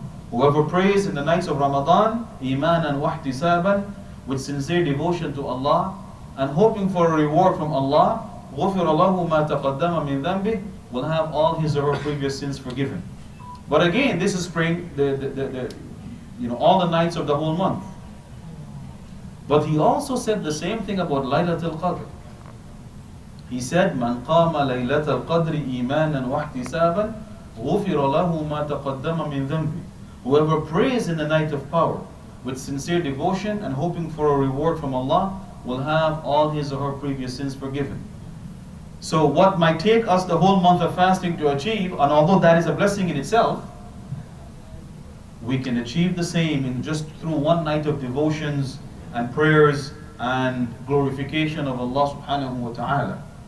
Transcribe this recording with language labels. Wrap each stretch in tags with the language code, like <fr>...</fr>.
<en>Whoever prays in the nights of Ramadan,</en> <ar>imanan wa ihtisaban,</ar> <en>with sincere devotion to Allah and hoping for a reward from Allah,</en> <ar>ghufira lahu ma taqaddama min dhanbi,</ar> <en>will have all his or her previous sins forgiven. But again, this is praying all the nights of the whole month. But he also said the same thing about Laylatul Qadr. He said,</en> <ar>مَنْ قَامَ لَيْلَةَ الْقَدْرِ إِيمَانًا وَاحْتِسَابًا غُفِرَ لَهُ مَا تَقَدَّمَ مِنْ ذَنْبِ.</ar> <en>Whoever prays in the night of power with sincere devotion and hoping for a reward from Allah will have all his or her previous sins forgiven. So what might take us the whole month of fasting to achieve, and although that is a blessing in itself, we can achieve the same in just through one night of devotions and prayers and glorification of Allah subhanahu wa ta'ala.</en>